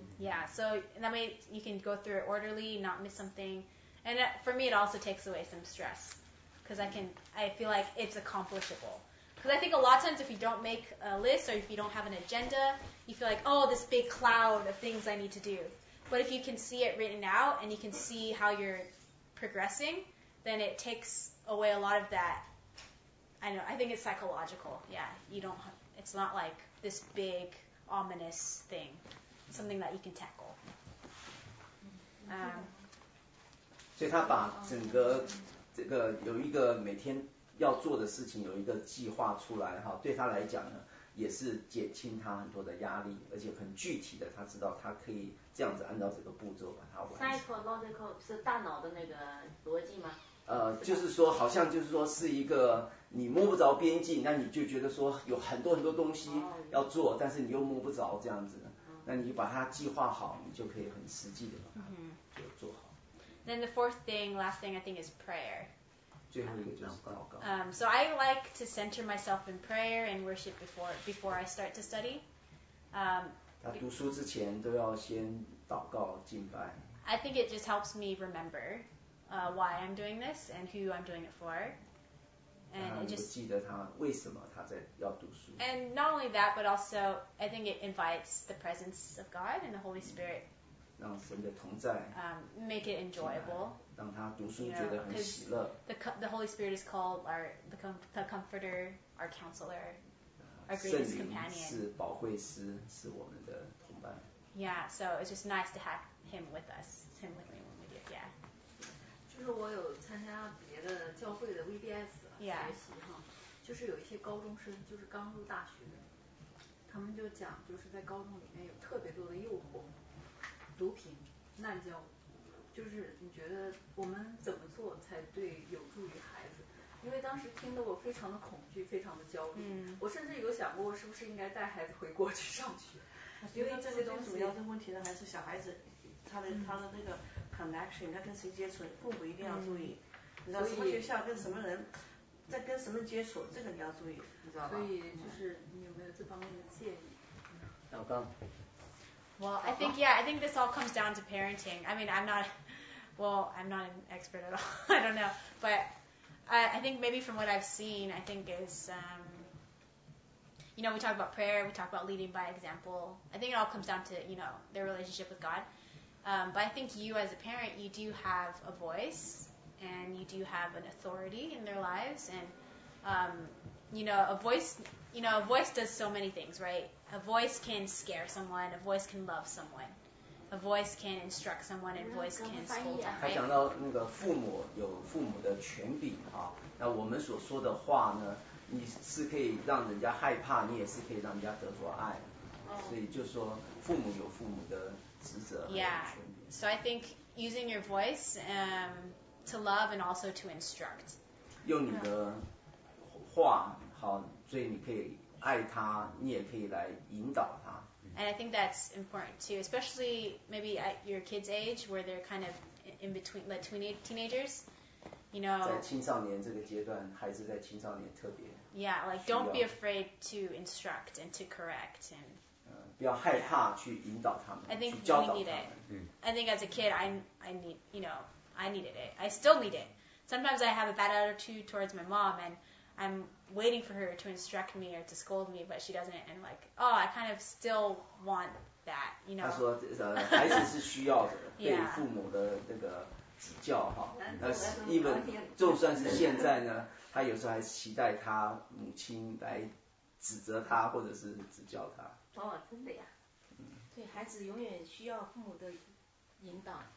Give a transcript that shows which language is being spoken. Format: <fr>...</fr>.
<en>yeah so that way you can go through it orderly not miss something and for me it also takes away some stress because I feel like it's accomplishable because I think a lot of times if you don't make a list or if you don't have an agenda you feel like oh this big cloud of things I need to do but if you can see it written out and you can see how you're progressing then it takes away a lot of that I know I think it's psychological yeah you don't it's not like this bigominous thing something that you can tackle、</en> <zh>所以他把整个这个有一个每天要做的事情有一个计划出来哈对他来讲呢也是减轻他很多的压力而且很具体的他知道他可以这样子按照这个步骤把它完成 psychological 是大脑的那个逻辑吗就是说好像就是说是一个你摸不着边际那你就觉得说有很多很多东西要做但是你又摸不着这样子那你把它计划好你就可以很实际的把它就做好、</zh> <en>Then the fourth thing, last thing I think is prayer.</en> <zh>最后一个就是祷告。</zh> <en>So I like to center myself in prayer and worship before I start to study.</en> <zh>他读书之前都要先祷告敬拜。</zh> <en>I think it just helps me remember why I'm doing this and who I'm doing it for. And it just,</en> <zh>记得他为什么他在要读书。</zh> <en>And not only that, but also I think it invites the presence of God and the Holy Spirit.</en> <zh>让神的同在</zh> <en>make it enjoyable</en> <zh>让他读书觉得很喜乐</zh> <en>the Holy Spirit is called our, the comforter, our counselor, our greatest companion</en> <zh>是保惠师是我们的同伴</zh> <en>yeah, so it's just nice to have him with us him with me when we do, yeah</en> <zh>就是我有参加别的教会的 VBS 学习哈、</zh> <en>yeah.</en> <zh>就是有一些高中生就是刚入大学的他们就讲就是在高中里面有特别多的诱惑毒品、滥交，就是你觉得我们怎么做才对有助于孩子？因为当时听得我非常的恐惧，非常的焦虑。我甚至有想过，我是不是应该带孩子回国去上学？因为这些东西主要的问题呢，还是小孩子他的那个 connection， 他跟谁接触，父母一定要注意。你知道什么学校跟什么人，在跟什么接触，这个你要注意，你知道吧？所以就是你有没有这方面的建议？老刚。</zh> <en>Well, I think, yeah, I think this all comes down to parenting. I mean, I'm not an expert at all. I don't know. But I think maybe from what I've seen, I think is, you know, we talk about prayer, we talk about leading by example. I think it all comes down to, you know, their relationship with God. But I think you as a parent, you do have a voice and you do have an authority in their lives. And, a voice does so many things, right? A voice can scare someone. A voice can love someone. A voice can instruct someone. A voice can scold them.</en> <zh>他讲到那个父母有父母的权柄啊，那我们所说的话呢，你是可以让人家害怕，你也是可以让人家得着爱。所以就说父母有父母的职责和权柄。</zh> <en>Yeah. So I think using your voice to love and also to instruct.</en> <zh>用你的话好，所以你可以。爱他，你也可以来引导他。</zh> <en>And I think that's important too, especially maybe at your kids' age where they're kind of in between, like teenagers, you know.</en> <zh>在青少年这个阶段，孩子在青少年特别需要。</zh> <en>Yeah, like don't be afraid to instruct and to correct and.</en> <zh>不要害怕去引导他们，</zh> <en>I think</en> <zh>去教导他们。</zh> <en>We need it. I think as a kid, I needed it. I still need it. Sometimes I have a bad attitude towards my mom, and I'm waiting for her to instruct me or to scold me, but she doesn't. And like, oh, I kind of still want that, you know.</en> <zh>他说，孩子是需要的，被父母的这个指教哈。那一本，就算是现在呢，他有时候还是期待他母亲来指责他或者是指教他。哦，真的呀。对，孩子永远需要父母的引导、</zh>